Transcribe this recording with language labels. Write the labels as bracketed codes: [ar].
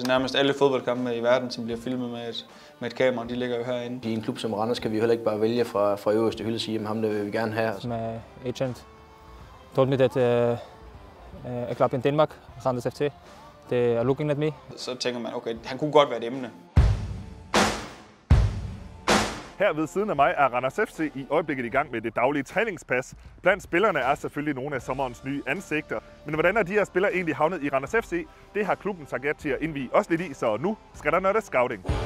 [da] Nærmest alle fodboldkampe i verden, som bliver filmet med et kamera, de ligger jo herinde. I en klub som Randers kan vi heller ikke bare vælge fra øverste hylde og sige, at ham der vil vi gerne have. [en] Med agent told me that a club in Denmark, Randers FC, they are looking at me. [da] Så tænker man, okay, han kunne godt være et emne. Her ved siden af mig er Randers FC i øjeblikket i gang med det daglige træningspas. Blandt spillerne er selvfølgelig nogle af sommerens nye ansigter. Men hvordan er de her spillere egentlig havnet i Randers FC? Det har klubben sagt ja til at indvige os lidt i, så nu skal der noget af scouting.